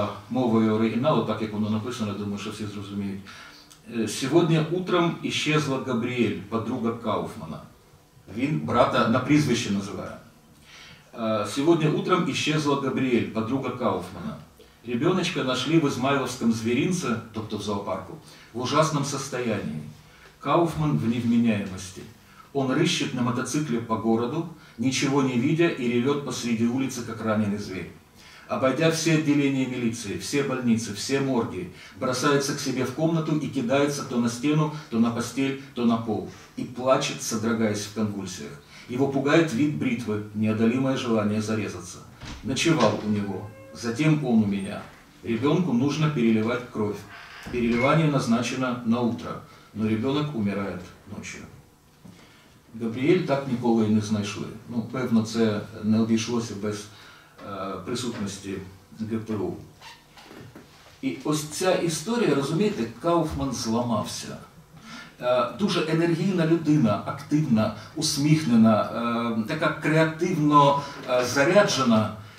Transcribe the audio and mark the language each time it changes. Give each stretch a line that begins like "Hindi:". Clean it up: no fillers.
Ukrainian: Мовою оригіналу, так як воно написано, думаю, що всі зрозуміють. «Сьогодні утром ісчезла Габріель, подруга Кауфмана». Він брата на прізвище називає. «Сьогодні утром ісчезла Габріель, подруга Кауфмана.
Russian: Ребеночка нашли в Измайловском зверинце,
Ukrainian: тобто в зоопарку,
Russian: в ужасном состоянии. Кауфман в невменяемости. Он рыщет на мотоцикле по городу, ничего не видя и ревет посреди улицы, как раненый зверь. Обойдя все отделения милиции, все больницы, все морги, бросается к себе в комнату и кидается то на стену, то на постель, то на пол. И плачет, содрогаясь в конвульсиях. Его пугает вид бритвы, неодолимое желание зарезаться. Ночевал у него, затем он у меня. Ребенку нужно переливать кровь. Переливание назначено на утро, но ребенок умирает ночью».
Ukrainian: Габріель так ніколи і не знайшли. Ну, певно, це не обійшлося без присутності ГПУ. І ось ця історія, розумієте, Кауфман зламався. Дуже енергійна людина, активна, усміхнена, така креативно заряджена.